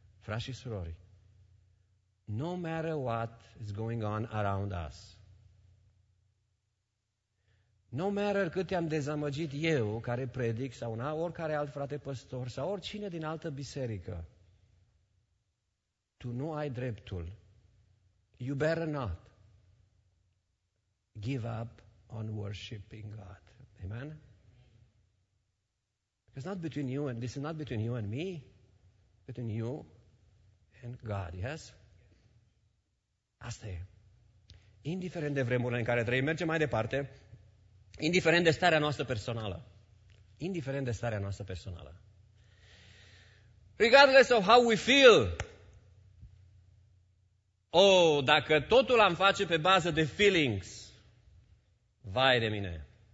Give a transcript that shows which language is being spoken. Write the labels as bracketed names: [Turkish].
[Romanian] Frați și surori, [English] no matter what is going on around us, no matter [Romanian] cât te-am dezamăgit eu, care predic, sau oricare alt frate păstor, sau oricine din altă biserică, tu nu ai dreptul. [English] You better not give up on worshiping God. Amen? It's not between you and this is not between you and me, between you and God, yes? [Romanian] Asta e. Indiferent de vremurile în care trăim, mergem mai departe, indiferent de starea noastră personală, indiferent de starea noastră personală, [English] regardless of how we feel, [Romanian] dacă totul am face pe bază de feelings, vai de mine.